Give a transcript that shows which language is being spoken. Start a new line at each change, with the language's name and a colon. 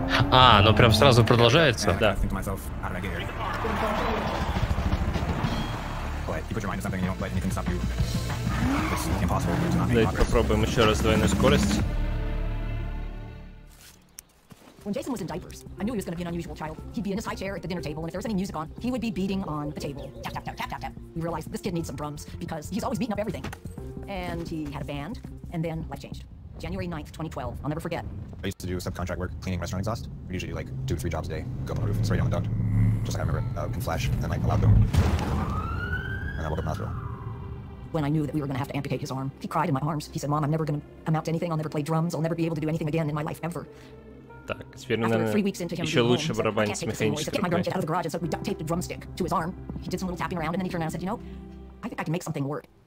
Russian: А, оно прям сразу продолжается? Да. Давайте попробуем еще раз двойную скорость.
English: When Jason was in diapers, I knew he was going to be an unusual child. He'd be in his high chair at the dinner table, and if there was any music on, he would be beating on the table. Tap, tap, tap, tap, tap, tap. We realized this kid needs some drums, because he's always beating up everything. And he had a band, and then life changed. January 9th, 2012. I'll never forget. I used to do subcontract work, cleaning restaurant exhaust. We usually do like two to three jobs a day, go on the roof, spray down the duct. Just like I remember, in flash, and like a loud boom. And I woke up in the hospital. When I knew that we were going to have to amputate his arm, he cried in my arms. He said, Mom, I'm never going to amount to anything. I'll never play drums. I'll never be able to do anything again in my life, ever.
Russian: Так, теперь, наверное, еще лучше барабанить с механической рукой.